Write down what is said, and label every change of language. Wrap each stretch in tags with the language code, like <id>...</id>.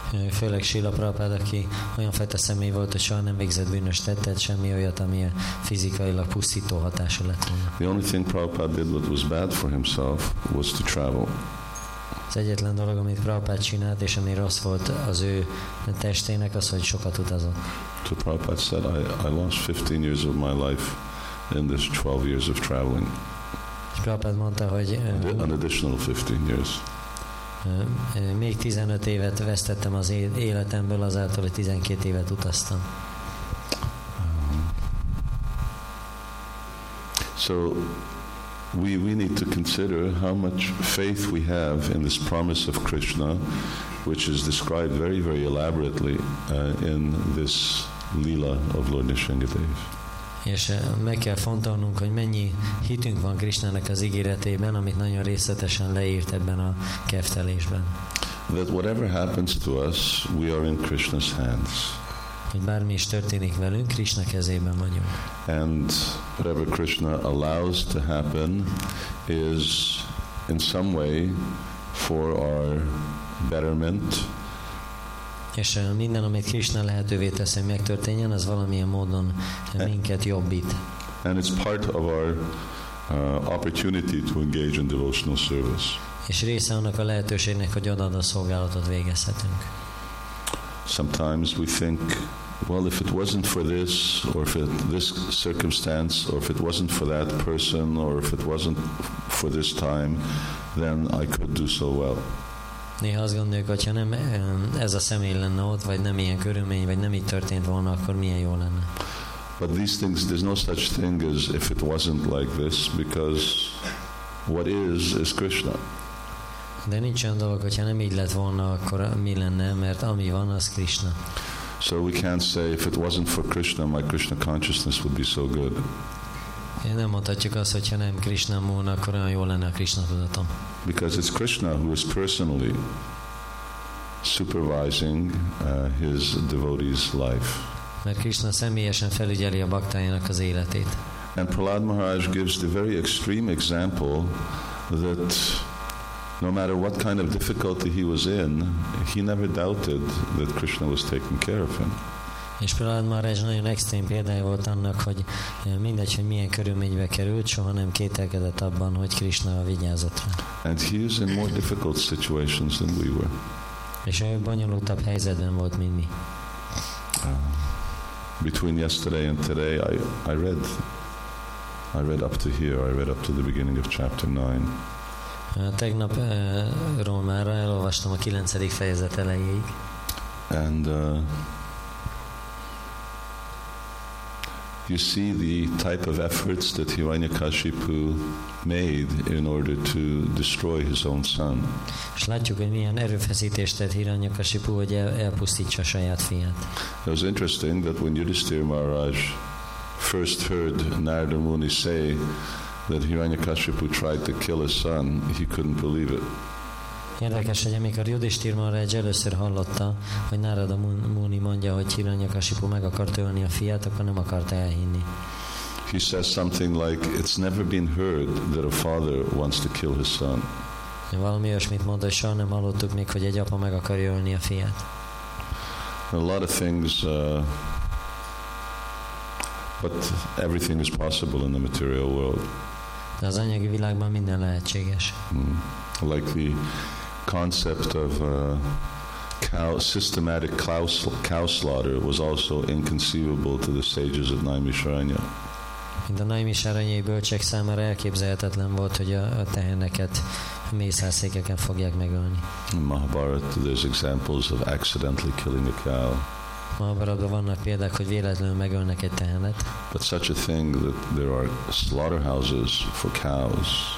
<hu>Főleg Srila Prabhupada, aki olyan fajta személy volt, hogy soha nem végzett bűnös tettet, semmi olyat, ami fizikailag pusztító hatása lett volna.</hu> <en>The only thing Prabhupada did that was bad for himself was to travel.</en> <hu>Az egyetlen dolog, amit Prabhupada csinált, és ami rossz volt az ő testének, az, hogy sokat utazott.</hu> <en>So Prabhupada said, I lost 15 years of my life in this 12 years of traveling.</en> <hu>Prabhupada mondta, hogy</hu> <en>an additional 15 years.</en> <hu>Még 15 évet vesztettem az életemből azáltal, hogy 12 évet utaztam.</hu> <en>So we need to consider how much faith we have in this promise of Krishna, which is described very, very elaborately in this Lila of Lord Nisringadev.</en> <hu>És meg kell fontolnunk, hogy mennyi hitünk van Krishnának az ígéretében, amit nagyon részletesen leírt ebben a keftelésben.</hu> <en>That whatever happens to us, we are in Krishna's hands.</en> <hu>Hogy bármi is történik velünk, Krishna kezében vagyunk.</hu> <en>And whatever Krishna allows to happen is in some way for our betterment.</en> <hu>És minden, amit Krishna lehetővé tesz, hogy megtörténjen, az valamilyen módon minket jobbít.</hu> <en>And it's part of our opportunity to engage in devotional service.</en> <hu>És része annak a lehetőségnek, hogy odaad a szolgálatot végezhetünk.</hu> <en>Sometimes we think, well, if it wasn't for this, or if it, this circumstance, or if it wasn't for that person, or if it wasn't for this time, then I could do so well.</en> <hu>Néha azt gondoljuk, hogyha nem ez a személy lenne ott, vagy nem ilyen körülmény, vagy nem így történt volna, akkor milyen jó lenne.</hu> <en>But these things, there's no such thing as if it wasn't like this, because what is Krishna.</en> <hu>De nincs olyan dolog, hogyha nem így lett volna, akkor mi lenne, mert ami van, az Krishna.</hu> <en>So we can't say, if it wasn't for Krishna, my Krishna consciousness would be so good.</en> <hu>Én nem mondhatjuk azt, hogyha nem Krishna múlna, akkor olyan jó lenne a Krishna tudatom.</hu> <en>Because it's Krishna who is personally supervising his devotee's life.</en> <hu>Mert Krishna személyesen felügyeli a baktájának az életét.</hu> <en>And Prahlad Maharaj gives the very extreme example that no matter what kind of difficulty he was in, he never doubted that Krishna was taking care of him.</en> <hu>És Prahlad Maharaj nagyon extrém példája volt annak, hogy mindegy, hogy milyen körülménybe került, soha nem kételkedett abban, hogy Krishna vigyázott rá.</hu> <en>And he is in more difficult situations than we were.</en> <hu>És ő bonyolultabb helyzetben volt, mint mi.</hu> <en>Between yesterday and today, I read up to here. I read up to the beginning of chapter 9.</en> <hu>Tegnap Rómára elolvastam a 9. fejezet elejéig.</hu> <en>And you see the type of efforts that Hiranyakashipu made in order to destroy his own son.</en> <hu>És látjuk, hogy milyen erőfeszítést tett Hiranyakashipu, hogy elpusztítsa saját fiát.</hu> <en>It was interesting that when Yudhisthira Maharaj first heard Narada Muni say that Hiranyakashipu tried to kill his son, he couldn't believe it.</en> <hu>Érdekes, hogy amikor Yudhisthira Maharaj először hallotta, hogy Narada Muni mondja, hogy Hiranyakashipu meg akart ölni a fiát, akkor nem akart elhinni.</hu> <en>He says something like, it's never been heard that a father wants to kill his son.</en> <hu>Valami olyasmit mondta, hogy soha nem hallottuk még, hogy egy apa meg akar ölni a fiát.</hu> <en>A lot of things, but everything is possible in the material world.</en> <hu>De az anyagi világban minden lehetséges.</hu> <en>Like the concept of systematic cow slaughter was also inconceivable to the sages of Naimisharanya.</en> <hu>Mint a Naimisharanyai bölcsek számára elképzelhetetlen volt, hogy a teheneket mészárszékeken fogják megölni.</hu> <en>In Mahabharata there's examples of accidentally killing a cow.</en> <hu>Mahabharatban vannak példák, hogy véletlenül megölnek egy tehenet.</hu> <en>But such a thing that there are slaughterhouses for cows.</en>